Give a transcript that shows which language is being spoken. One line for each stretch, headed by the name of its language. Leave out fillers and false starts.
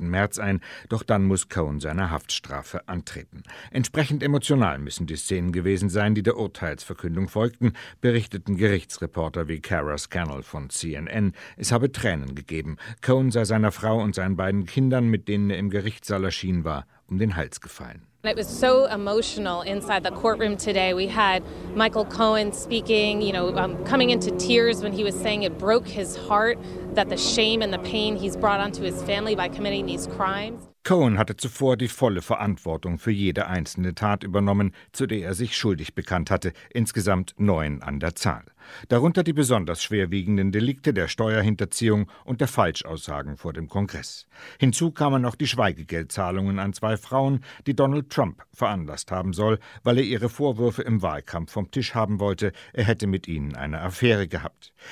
German: März ein, doch dann muss Cohen seine Haftstrafe antreten. Entsprechend emotional müssen die Szenen gewesen sein, die der Urteilsverkündung folgten, berichteten Gerichtsreporter wie Kara Scannell von CNN. Es habe Tränen gegeben. Cohen sei seiner Frau und seinen beiden Kindern, mit denen er im Gerichtssaal erschienen war, um den Hals gefallen.
English: It was so emotional inside the courtroom today. We had Michael Cohen speaking, you know, coming into tears when he was saying it broke his heart that the shame and the pain he's brought onto his family by committing these crimes.
German: Cohen hatte zuvor die volle Verantwortung für jede einzelne Tat übernommen, zu der er sich schuldig bekannt hatte, insgesamt 9 an der Zahl. Darunter die besonders schwerwiegenden Delikte der Steuerhinterziehung und der Falschaussagen vor dem Kongress. Hinzu kamen noch die Schweigegeldzahlungen an 2 Frauen, die Donald Trump veranlasst haben soll, weil er ihre Vorwürfe im Wahlkampf vom Tisch haben wollte, er hätte mit ihnen eine Affäre gehabt.